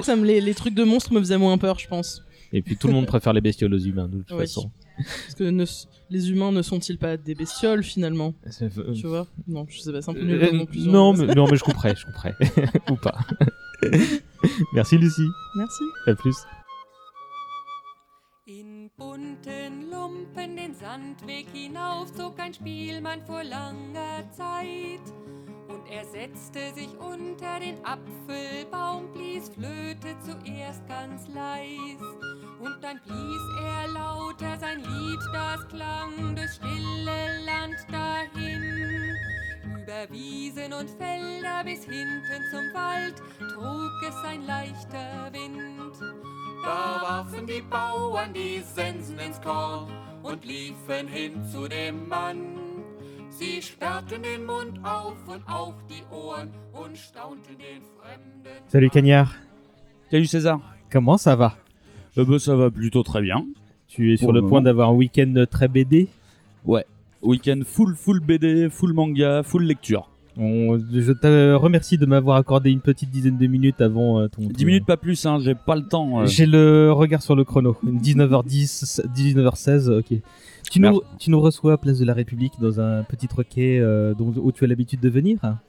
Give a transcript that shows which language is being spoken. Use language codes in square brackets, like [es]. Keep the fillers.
[fr] que ça me, les, les, trucs de monstres me faisaient moins peur je pense et puis tout le monde préfère les bestioles aux humains de toute ouais, façon parce que les humains ne sont-ils pas des bestioles finalement tu vois non je sais pas non, mais, je comprends je comprends ou pas Merci Lucie. Merci. À plus. [de] bunten Lumpen den Sandweg hinauf, zog ein Spielmann vor langer Zeit. Und er setzte sich unter den Apfelbaum, blies Flöte zuerst ganz leis. Und dann blies er lauter sein Lied, das klang durchs stille Land dahin. Über Wiesen und Felder bis hinten zum Wald trug es ein leichter Wind. Da warfen die Bauern die Sensen ins Korn und liefen hin zu dem Mann. Sie sperrten den Mund auf und auch die Ohren und staunten den Fremden. [fr] Salut Cagnard. Salut César. Comment ça va Eh ben bah, Ça va plutôt très bien. Tu es Pour sur le moment. point d'avoir un week-end très BD Ouais. Week-end full, full BD, full manga, full lecture. On... je te remercie de m'avoir accordé une petite dizaine de minutes avant ton. 10 minutes, euh... pas plus, hein, j'ai pas le temps. Euh... J'ai le regard sur le chrono. 19h10, 19h16, ok. Tu nous, Merci. tu nous reçois à Place de la République dans un petit roquet euh, dont... où tu as l'habitude de venir hein